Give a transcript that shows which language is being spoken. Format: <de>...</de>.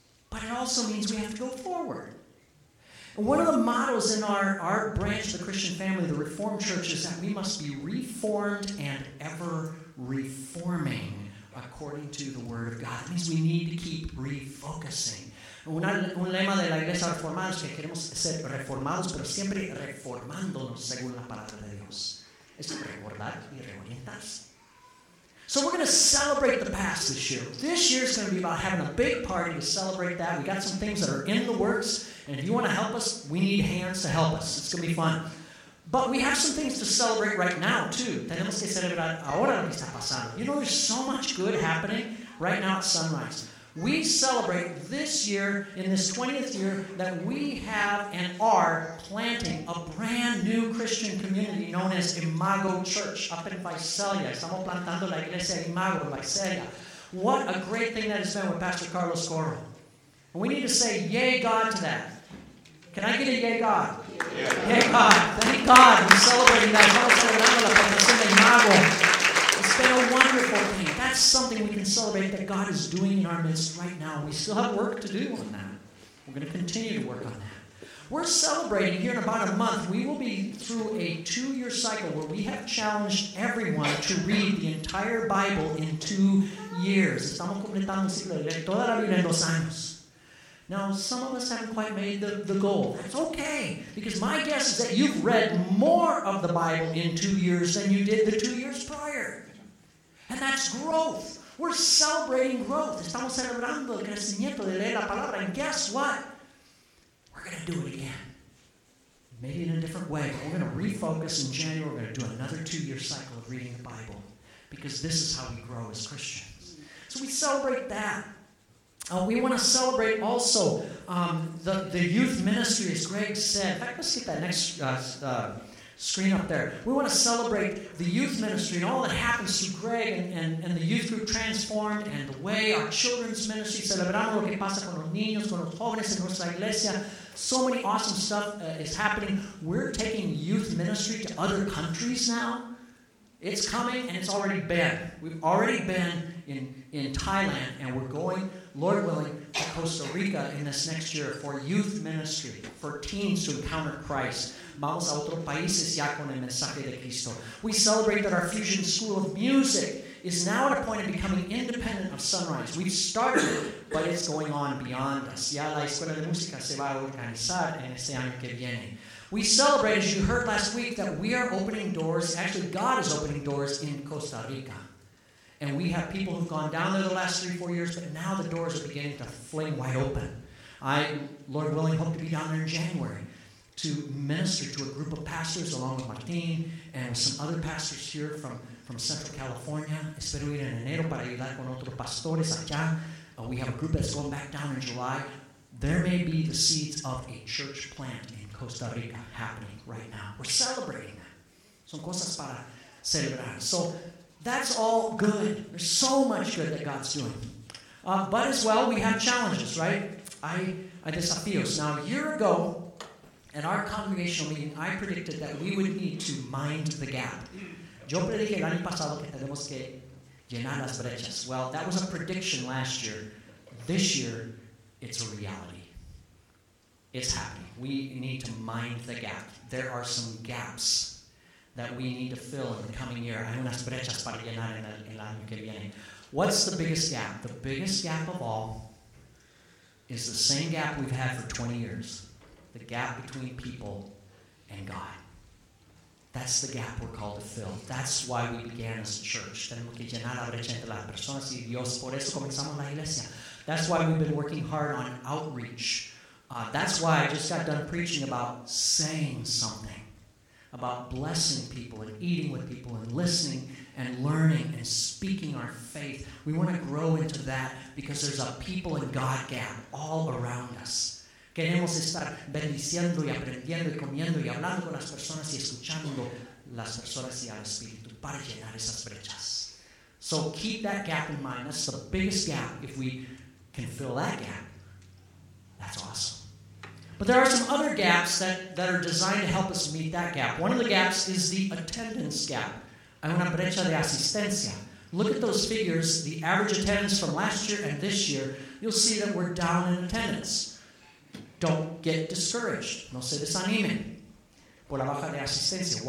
<en>But it also means we have to go forward. And one of the models in our branch of the Christian family, the Reformed Church, is that we must be reformed and ever reforming according to the Word of God. It means we need to keep refocusing.</en> <es>Un lema de la iglesia reformada es que queremos ser reformados, pero siempre reformándonos según la palabra de Dios. Es recordar y reorientarse.</es> <en>So we're going to celebrate the past this year. This year is going to be about having a big party to celebrate that. We got some things that are in the works, and if you want to help us, we need hands to help us. It's going to be fun. But we have some things to celebrate right now, too.</en> <es>Tenemos que celebrar ahora lo que está pasando.</es> <en>You know, there's so much good happening right now at Sunrise. We celebrate this year, in this 20th year, that we have and are planting a brand new Christian community known as Imago Church up in Visalia.</en> <es>Estamos plantando la iglesia Imago en Visalia.</es> <en>What a great thing that has been with Pastor Carlos Coro. We need to say yay God to that. Can I get a yay God? Yeah. Yay God. Thank God we're celebrating that.</en> <es>Estamos celebrando la plantación de Imago.</es> <en>It's been a wonderful thing. That's something we can celebrate that God is doing in our midst right now. We still have work to do on that. We're going to continue to work on that. We're celebrating here in about a month. We will be through a two-year cycle where we have challenged everyone to read the entire Bible in 2 years.</en> <es>Estamos completando el ciclo de leer toda la Biblia en dos años.</es> <en>Now, some of us haven't quite made the goal. That's okay, because my guess is that you've read more of the Bible in 2 years than you did the 2 years prior. And that's growth. We're celebrating growth.</en> <es>Estamos celebrando el crecimiento de leer la palabra.</es> <en>And guess what? We're we're going to do it again. Maybe in a different way, but we're going to refocus in January. We're going to do another two-year cycle of reading the Bible, because this is how we grow as Christians. So we celebrate that. We want to celebrate also the youth ministry, as Greg said. In fact, let's get that next screen up there. We want to celebrate the youth ministry and all that happens through Greg and the youth group transformed and the way our children's ministry.</en> <es>Celebramos lo que pasa con los niños, con los jóvenes en nuestra iglesia.</es> <en>So many awesome stuff is happening. We're taking youth ministry to other countries now. It's coming, and it's already been. We've already been in Thailand, and we're going, Lord willing, to Costa Rica in this next year for youth ministry, for teens to encounter Christ.</en> <es>Vamos a otros países ya con el mensaje de Cristo.</es> <en>We celebrate that our Fusion School of Music is now at a point of becoming independent of Sunrise. We've started it, but it's going on beyond us.</en> <es>Ya la Escuela de Música se va a organizar en este año que viene.</es> <en>We celebrate, as you heard last week, that we are opening doors. Actually, God is opening doors in Costa Rica. And we have people who've gone down there the last 3-4 years, but now the doors are beginning to fling wide open. I, Lord willing, hope to be down there in January to minister to a group of pastors along with Martin and some other pastors here from Central California.</en> <es>Espero ir en enero para ayudar con otros pastores allá.</es> <en>We have a group that's going back down in July. There may be the seeds of a church plant in Costa Rica happening right now. We're celebrating that.</en> <es>Son cosas para celebrar.</es> <en>So that's all good. There's so much good that God's doing. But as well, we have challenges, right?</en> <es>I desafíos.</es> <en>Now, a year ago, at our congregational meeting, I predicted that we would need to mind the gap.</en> <es>Yo predije el año pasado que tenemos que llenar las brechas.</es> <en>Well, that was a prediction last year. This year, it's a reality. It's happening. We need to mind the gap. There are some gaps that we need to fill in the coming year.</en> <es>Hay unas brechas para llenar en el año que viene.</es> <en>What's the biggest gap? The biggest gap of all is the same gap we've had for 20 years. The gap between people and God. That's the gap we're called to fill. That's why we began as a church.</en> <es>Tenemos que llenar la brecha entre las personas y Dios. Por eso comenzamos la iglesia.</es> <en>That's why we've been working hard on outreach. That's why I just got done preaching about saying something, about blessing people and eating with people and listening and learning and speaking our faith. We want to grow into that because there's a people and God gap all around us.</en> <es>Queremos estar bendiciendo y aprendiendo y comiendo y hablando con las personas y escuchando las personas y al Espíritu para llenar esas brechas.</es> <en>So keep that gap in mind. That's the biggest gap. If we can fill that gap, that's awesome. But there are some other gaps that are designed to help us meet that gap. One of the gaps is the attendance gap.</en> <es>Hay una brecha de asistencia.</es> <en>Look at those figures, the average attendance from last year and this year. You'll see that we're down in attendance. Don't get discouraged.</en> <es>No se desanimen por la baja de asistencia.</es>